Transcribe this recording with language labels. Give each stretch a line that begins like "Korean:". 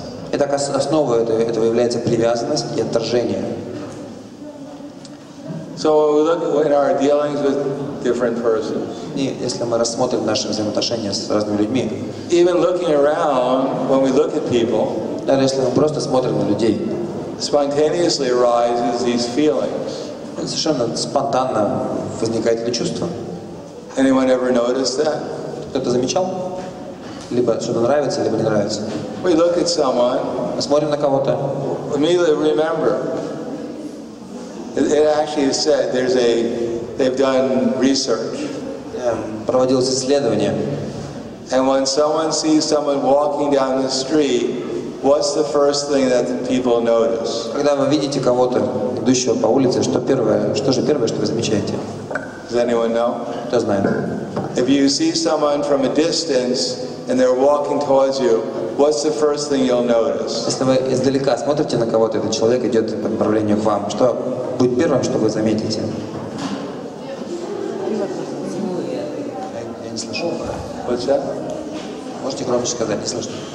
Russian: Итак, основой этого является привязанность и отторжение.
English: So when we look at our dealings with different persons.
Russian: И если мы рассмотрим наши взаимоотношения с разными людьми.
English: Even looking around when we look at people.
Russian: Даже если мы просто смотрим на людей.
English: Spontaneously arises these feelings.
Russian: Совершенно спонтанно возникает это чувство.
English: Anyone ever noticed that?
Russian: Кто-то замечал? Либо что-то нравится, либо не нравится.
English: We look at someone.
Russian: Мы смотрим на кого-то.
English: Immediately remember. It actually is said there's a they've done research.
Russian: Проводилось исследование.
English: And when someone sees someone walking down the street. What's the first thing that people notice?
Russian: Когда вы видите кого-то идущего по улице, что же первое, что вы замечаете?
English: Does anyone know?
Russian: Кто знает?
English: If you see someone from a distance and they're walking towards you, what's the first thing you'll notice?
Russian: Если вы издалека смотрите на кого-то, этот человек идет по направлению к вам, что будет первым, что вы заметите? Я не слышу.
English: What's that?
Russian: Можете громче сказать, не слышно.